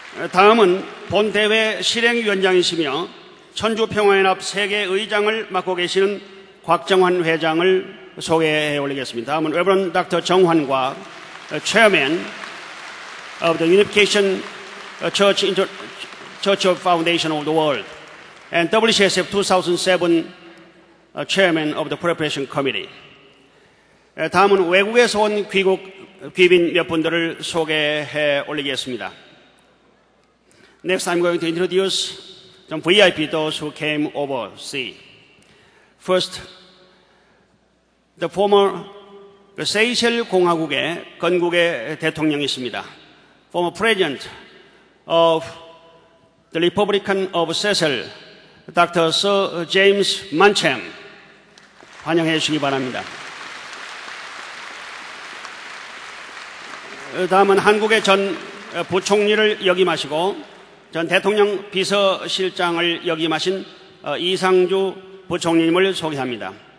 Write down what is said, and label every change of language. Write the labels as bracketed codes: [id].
[ko] 다음은 본 대회 실행위원장이시며 천주평화연합 세계의장을 맡고 계시는 곽정환 회장을 소개해 올리겠습니다. 다음은 [en] Reverend Dr. 정환과 Chairman of the Unification Church of Foundation of the World and WCSF 2007 Chairman of the Preparation Committee. [ko] 다음은 외국에서 온 귀국 귀빈 몇 분들을 소개해 올리겠습니다. [en] Next, I'm going to introduce some VIP those who came overseas. First, the former Seychelles [ko] 공화국의 건국의 대통령이십니다. [en] Former President of the Republic of Seychelles, Dr. Sir James Manchem. [ko] 환영해 주시기 바랍니다. 다음은 한국의 전 부총리를 역임하시고 전 대통령 비서실장을 역임하신 이상주 부총리님을 소개합니다.